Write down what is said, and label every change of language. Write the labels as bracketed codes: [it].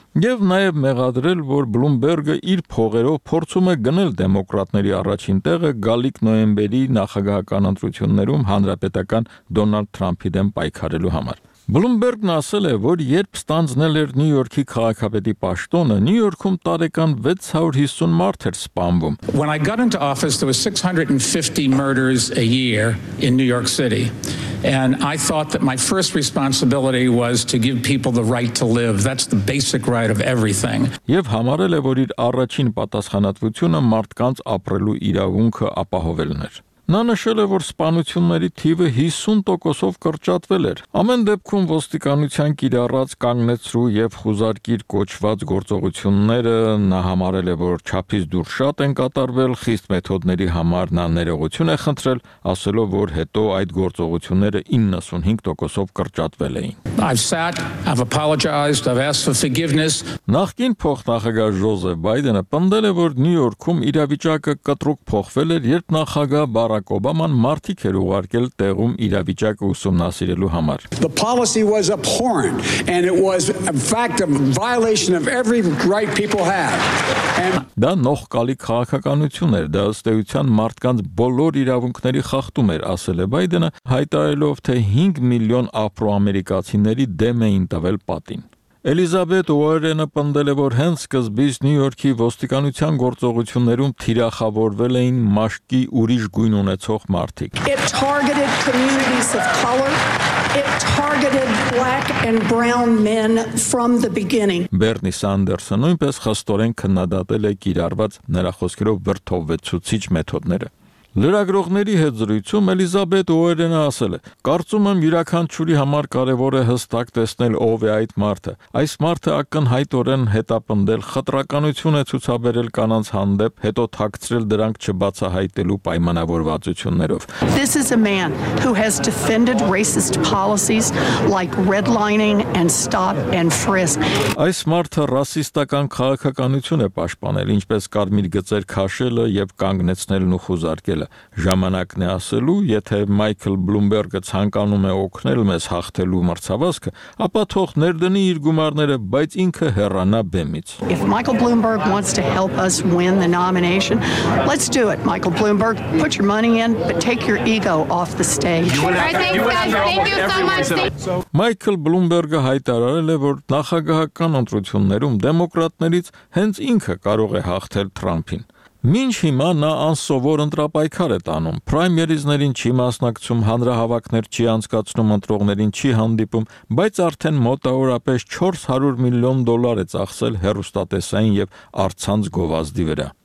[hy] և նաև մեղադրել, որ Բլումբերգը իր փողերով փորձում է գնել դեմոկրատների առաջին տեղը գալիք նոյեմբերի նախագահական ընտրություններում հանրապետական Դոնալդ Թրամփի դեմ պայքարելու համար։ Բլումբերգն ասել է, որ երբ ստանձնել էր Նյու Յորքի քաղաքապետի պաշտոնը, Նյու Յորքում տարեկան 650 մարդ էր սպանվում։ [en] When I got into office there was 650 murders a year in New York City and I thought that my first responsibility was to give people the right to live. That's the basic right of everything. [hy] Եվ համարել է, որ իր առաջին պատասխանատվությունը մարդկանց ապրելու իրավունքը ապահովելն էր։ Նա նշել է, որ սպանությունների թիվը 50%-ով կրճատվել էր։ Ամեն դեպքում ոստիկանության կիրառած կանգնեցրու և խուզարկիր կոչված գործողությունները նա համարել է, որ չափից դուրս շատ են կատարվել, խիստ մեթոդների համար նա ներողություն է խնդրել, ասելով, որ հետո այդ գործողությունները 95%-ով կրճատվել էին։ [en] I've sat, I've apologized, I've asked for forgiveness. [hy] Նախկին փոխնախագահ Ժոզեֆ Բայդենը պնդել է, որ Նյու Յորքում իրավիճակը կտրուկ փոխվել էր, երբ նախագահ Բարակ Օբաման մարտիկ էր ուղարկել տեղում իրավիճակը ուսումնասիրելու համար։ [en] The policy was abhorrent and it was in fact a violation of every right people have. [hy] Դա նոխ կալի քաղաքականություն էր, դա ըստ էության մարդկանց բոլոր իրավունքների խախտում էր, ասել է Բայդենը, հայտարելով, թե 5 միլիոն աֆրոամերիկացիների դեմ էին տվել պատին։ Էլիզաբեթ Ուորենը պնդել է, որ հենց սկզբից Նյու Յորքի ոստիկանության գործողություններում թիրախավորվել էին մաշկի ուրիշ գույն ունեցող մարդիկ։ [en] It targeted communities of color. It targeted black and brown men from the beginning. [hy] Բերնի Սանդերսը նույնպես խստորեն քննադատել է կիրառված նրա խոսքերով վրդովվեցուցիչ մեթոդները։ Լրագրողների հետ զրույցում Էլիզաբեթ Ուորենը ասել է. «Կարծում եմ յուրաքանչյուրի համար կարևոր է հստակ տեսնել ով է այդ մարդը։ Այս մարդը ակնհայտորեն հետապնդել, խտրականություն է ցուցաբերել կանանց հանդեպ, հետո թաքցրել դրանք չբացահայտելու պայմանավորվածություններով»։ [en] This is a man who has defended racist policies like redlining and stop and frisk. [hy] Այս մարդը ռասիստական քաղաքականություն է պաշտպանել, ինչպես կարմիր գծեր քաշելը եւ կանգնեցնելն ու խուզարկելը։ Ժամանակն է ասելու, եթե Մայքլ Բլումբերգը ցանկանում է օգնել մեզ հաղթելու մրցավազքը, ապա թող ներդնի իր գումարները, բայց ինքը հեռանա բեմից։ [en] If Michael Bloomberg wants to help us win the nomination, let's do it, Michael Bloomberg. Put your money in, but take your ego off the stage. [hy] Մայքլ Բլումբերգը հայտարարել է, որ նախագահական ընտրություններում դեմոկրատներից հենց ինքը կարող է հաղթել Թրամփին։ Մինչ հիմա նա անսովոր ընտրապայքար է տանում, պրայմերիզներին չի մասնակցում, հանրահավաքներ չի անցկացնում, ընտրողներին չի հանդիպում, բայց արդեն մոտավորապես 400 միլիոն դոլար է ծախսել հեռուստատեսային և առցանց գովազդի վրա։